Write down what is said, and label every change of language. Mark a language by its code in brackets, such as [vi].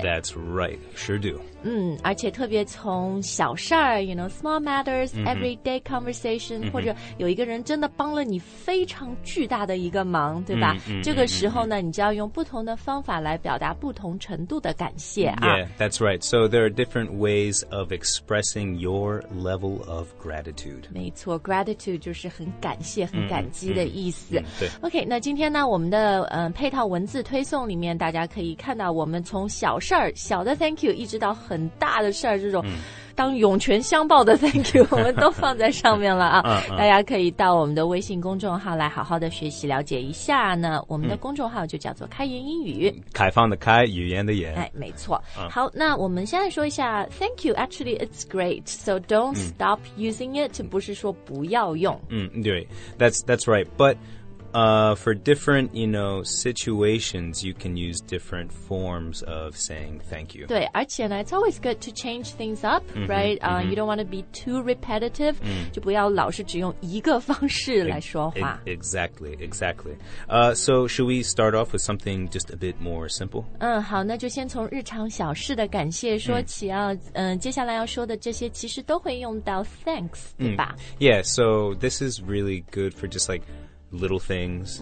[en] That's right. Sure do. [zh] 嗯，而且特别从小事儿 [en] you know, small matters,、 [zh] mm-hmm. [en] everyday conversation,、 [zh] mm-hmm. 或者有一个人真的帮了你非常巨大的一个忙，对吧、 mm-hmm. 这个时候呢你就要用不同的方法来表达不同程度的感谢啊。 [en] Yeah, that's right. So there are different ways of expressing your level of gratitude. [zh] 没错 gratitude 就是很感谢很感激的意思。 Mm-hmm. Mm-hmm. OK, 那今天呢我们的、配套文字推送里面大家可以看到我们从小事儿小的 thank you 一直到很大的事儿这种、嗯、当涌泉相报的 thank you 我们都放在上面了啊、嗯、大家可以到我们的微信公众号来好好的学习了解一下呢我们的公众号就叫做开言英语、嗯、开放的开语言的言哎，没错、嗯、好那我们现在说一下 [en] thank you actually it's great so don't stop using it、嗯、 [zh] 不是说不要用 [en] 嗯，对 that's right butfor different, you know, situations, you can use different forms of saying thank you. [zh] 对，而且呢 [en] it's always good to change things up, mm-hmm, right? Mm-hmm. You don't want to be too repetitive,、 mm-hmm. [zh] 就不要老是只用一个方式来说话。 [en] Exactly. So should we start off with something just a bit more simple? [zh] 嗯，好，那就先从日常小事的感谢说起啊。嗯、接下来要说的这些其实都会用到 thanks,、 mm-hmm. 对吧 [en] ？Yeah. So this is really good for just like. Little things、